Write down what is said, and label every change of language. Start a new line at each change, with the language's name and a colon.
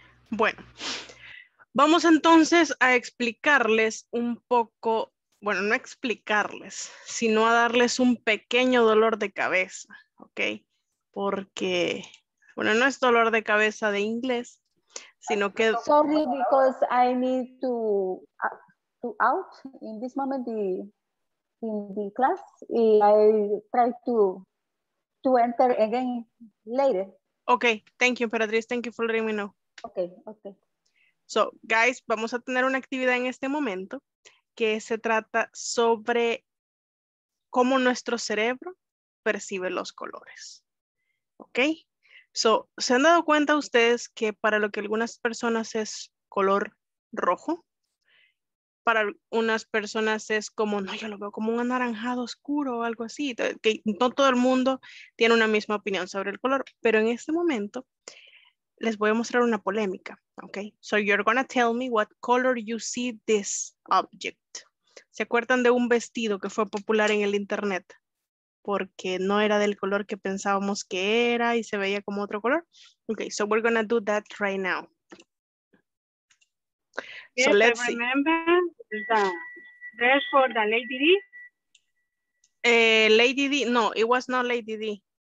Spanish: Bueno, vamos entonces a explicarles un poco, bueno, no explicarles, sino a darles un pequeño dolor de cabeza, ok, porque, bueno, no es dolor de cabeza de inglés, sino que...
English: Sorry, because I need to out in this moment the... in the class, y I try to enter again later. Okay, thank you, Emperatriz. Thank you for letting me know. Okay, okay. So, guys,
Spanish: vamos a tener una actividad en este momento que se trata sobre cómo nuestro cerebro percibe los colores. Okay? So, ¿se han dado cuenta ustedes que para lo que algunas personas es color rojo? Para unas personas es como, no, yo lo veo como un anaranjado oscuro o algo así. Que no todo el mundo tiene una misma opinión sobre el color. Pero en este momento les voy a mostrar una polémica. Okay?
English: So you're going to tell me what color you see this object.
Spanish: ¿Se acuerdan de un vestido que fue popular en el internet? Porque no era del color que pensábamos que era y se veía como otro color.
English: Okay, so we're going to do that right now. Yes, so let's I remember see. The dress for the Lady D. Lady D, no, it was not Lady D.